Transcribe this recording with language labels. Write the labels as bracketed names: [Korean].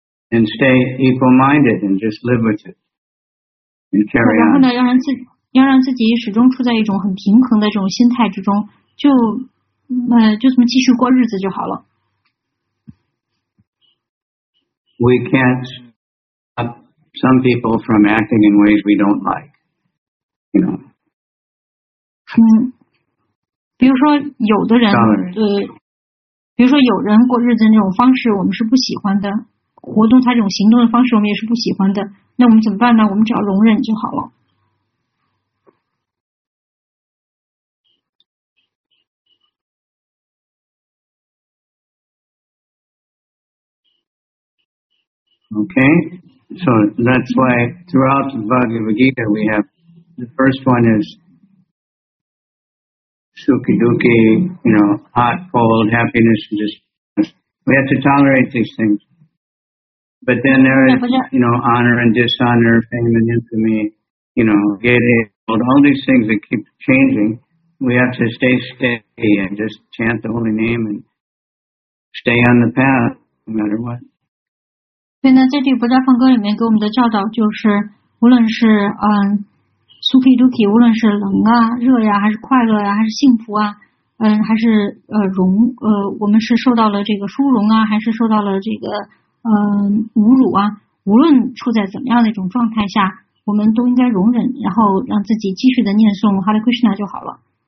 [English] And stay equal-minded and just live with it. And carry on. [Chinese] 然后呢，要让自己始终处在一种很平衡的这种心态之中，就这么继续过日子就好了。 [English] We can't stop some people from acting in ways we don't like, you know. [Chinese] 比如说有的人，比如说有人过日子那种方式我们是不喜欢的，活动他这种行动的方式我们也是不喜欢的，那我们怎么办呢？我们只要容忍就好了。 [English] Okay, so that's why throughout the Bhagavad Gita we have the first one is sukhi dukhi, you know, hot, cold, happiness, and distress. We have to tolerate these things. But then there is, you know, honor and dishonor, fame and infamy, you know, get it, all these things that keep changing. We have to stay steady and just chant the holy name and stay on the path no matter what. [Chinese] 所以呢，在这个佛家梵歌里面给我们的教导就是，无论是sukhi dukhi， 无论是冷啊、热呀、啊，还是快乐呀、啊，还是幸福啊，还是我们是受到了这个殊荣啊，还是受到了这个侮辱啊，无论处在怎么样的一种状态下，我们都应该容忍，然后让自己继续的念诵 Hare Krishna 就好了。